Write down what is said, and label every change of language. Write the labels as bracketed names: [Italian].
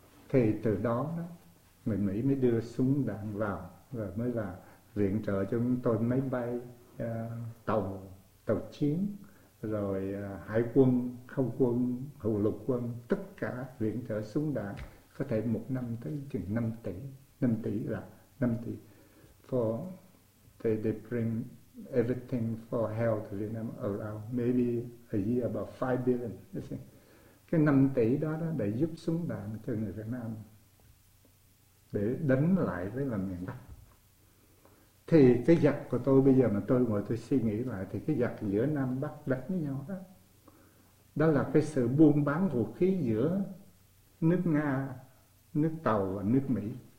[Vietnamese] Thì từ đó, người Mỹ mới đưa súng đạn vào và mới là viện trợ cho chúng tôi máy bay, tàu chiến, rồi hải quân, không quân, hậu lục quân, tất cả viện trợ súng đạn có thể một năm tới chừng 5 tỷ. 5 tỷ là 5 tỷ. [English] For they bring everything for help to Vietnam around maybe a year about 5 billion. [Vietnamese] Cái 5 tỷ đó, đó để giúp súng đạn cho người Việt Nam để đánh lại với là miền Bắc. Thì cái giặc của tôi bây giờ mà tôi ngồi tôi suy nghĩ lại thì cái giặc giữa Nam Bắc đánh với nhau đó, đó là cái sự buôn bán vũ khí giữa nước Nga, nước Tàu và nước Mỹ.